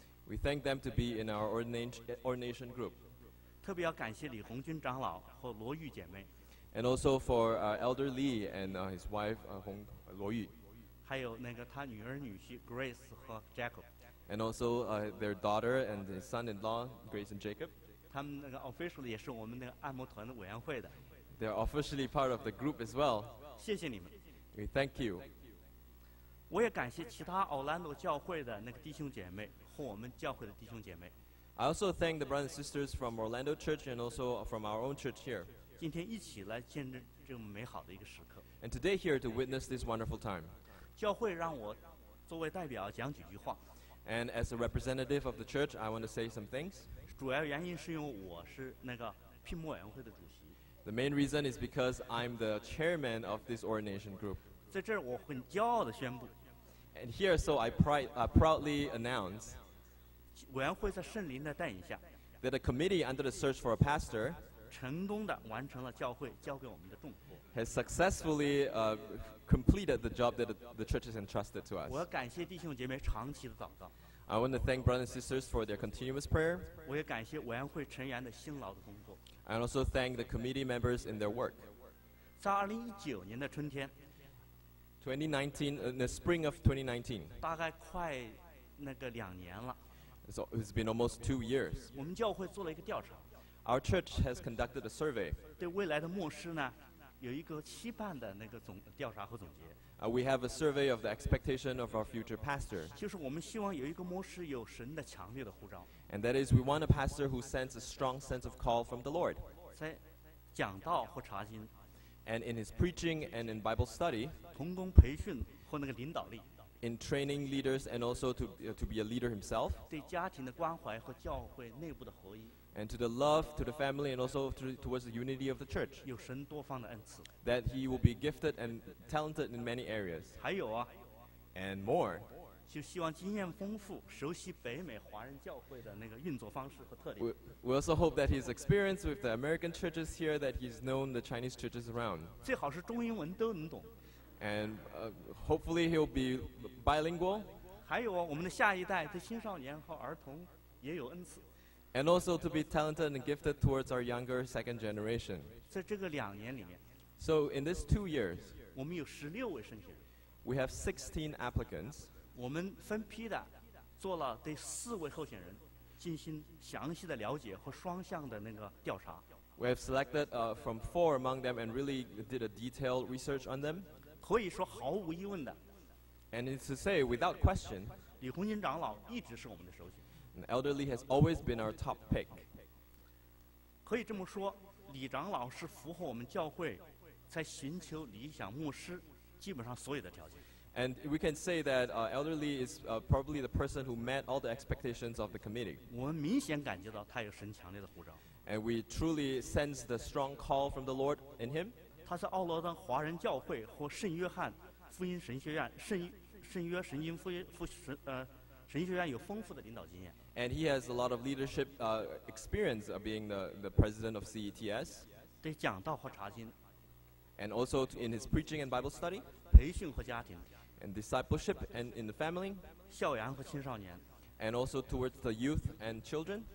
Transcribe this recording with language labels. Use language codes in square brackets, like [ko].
[en] We thank them to be in our ordination group. [zh] 特别要感谢李红军长老和罗玉姐妹。 [en] And also for Elder Lee and his wife, 红罗玉。 [zh] 还有那个他女儿女婿 Grace 和 Jacob. [en] And also their daughter and his son-in-law, Grace and Jacob. [zh] 他们那个 officially 也是我们那个按摩团的委员会的。 [en] They're officially part of the group as well. [zh] 谢谢你们。 [en] We thank you. [zh] 我也感谢其他 Orlando 教会的那个弟兄姐妹。 [en] I also thank the brothers and sisters from Orlando Church and also from our own church here. [zh] 今天一起来见证这么美好的一个时刻。 [en] And today here to witness this wonderful time. [zh] 教会让我作为代表讲几句话。 [en] And as a representative of the church, I want to say some things. [zh] 主要原因是因为我是那个聘牧委员会的主席。 [en] The main reason is because I'm the chairman of this ordination group. [zh] 在这儿我很骄傲地宣布。 [en] And here, so I proudly announce. [zh] 委员会在圣灵的带领下。 [en] That a committee under the search for a pastor. [zh] 成功地完成了教会交给我们的重托。 [en] Has successfully completed the job that the church has entrusted to us. [zh] 我要感谢弟兄姐妹长期的祷告。 [en] I want to thank brothers and sisters for their continuous prayer. [zh] 我也感谢委员会成员的辛劳的工作。 [en] I also thank the committee members in their work. [zh] 在2019年的春天。 [en] 2019, in the spring of 2019. [zh] 大概快那个两年了。 [en] So it's been almost 2 years. [zh] 我们教会做了一个调查。 [en] Our church has conducted a survey. [zh] 对未来的牧师呢，有一个期盼的那个总调查和总结。 [en] We have a survey of the expectation of our future pastor. [zh] 就是我们希望有一个牧师有神的强烈的呼召。 [en] And that is, we want a pastor who sends a strong sense of call from the Lord. [zh] 在讲道或查经。 [en] And in his preaching and in Bible study. [zh] 同工培训或那个领导力。 [en] In training leaders and also to be a leader himself. [zh] 对家庭的关怀和教会内部的合一。 [en] And to the love to the family and also towards the unity of the church. [zh] 有神多方的恩赐。 [en] That he will be gifted and talented in many areas. [zh] 还有啊。 [en] And more. [zh] 就希望经验丰富，熟悉北美华人教会的那个运作方式和特点。 [en] We also hope that his experience with the American churches here, that he's known the Chinese churches around. [zh] 最好是中英文都能懂。 [en] And hopefully he'll be bilingual. [zh] 还有啊，我们的下一代对青少年和儿童也有恩赐。 [en] And also to be talented and gifted towards our younger second generation. [zh] 在这个两年里面。 [en] So in these 2 years, [zh] 我们有16位申请人。 [en] We have 16 applicants. [zh] 我们分批的做了对四位候选人进行详细的了解和双向的那个调查。 [en] We have selected from 4 among them and really did a detailed research on them. [zh] 可以说毫无疑问的。 [en] And it's to say without question. [zh] 李洪金长老一直是我们的首选。 [en] And elderly has always been our top pick. [zh] 可以这么说，李长老是符合我们教会在寻求理想牧师基本上所有的条件。 [en] And we can say that elderly is probably the person who met all the expectations of the committee. [zh] 我们明显感觉到他有神强烈的呼召。 [en] And we truly sense the strong call from the Lord in him. [zh] 他是奥罗登华人教会和圣约翰福音神学院圣约神经神学院有丰富的领导经验。 [en] And he has a lot of leadership experience of being the president of CETS. [zh] 对讲道和查经。 [en] And also in his preaching and Bible study. [zh] 培训和家庭。 [en] And discipleship and in the family. [zh] 校园和青少年。 [en] And also towards the youth and children.